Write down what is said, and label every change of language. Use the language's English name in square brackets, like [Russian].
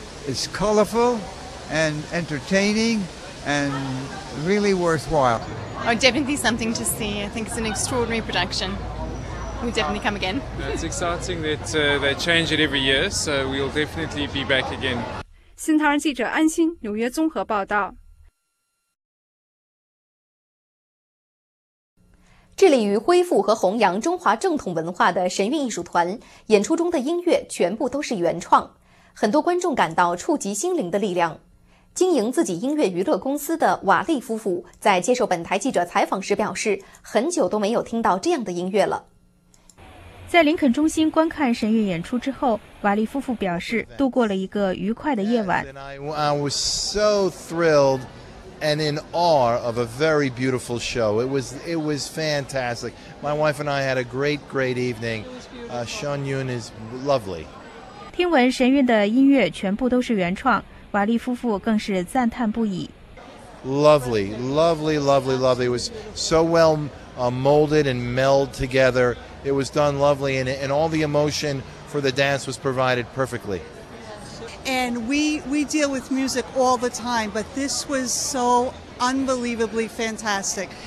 [English] It's colorful and entertaining and really worthwhile. Oh, definitely something to see. I think it's an extraordinary production. We'll definitely come again. It's exciting that they change it every year, so we'll definitely be back again. [Chinese] 新唐人记者安心，纽约综合报道。致力于恢复和弘扬中华正统文化的神韵艺术团，演出中的音乐全部都是原创，很多观众感到触及心灵的力量。经营自己音乐娱乐公司的瓦利夫妇在接受本台记者采访时表示，很久都没有听到这样的音乐了。在林肯中心观看神韵演出之后，瓦利夫妇表示度过了一个愉快的夜晚。 [English] I was so thrilledand in awe of a very beautiful show. It was fantastic. My wife and I had a great, great evening. Sean Yun is lovely. [Chinese] 听闻神韵的音乐全部都是原创，瓦利夫妇更是赞叹不已。 [English] Lovely, lovely, lovely, lovely. It was so well molded and meld together. It was done lovely, and all the emotion for the dance was provided perfectly. and we deal with music all the time, but this was so unbelievably fantastic.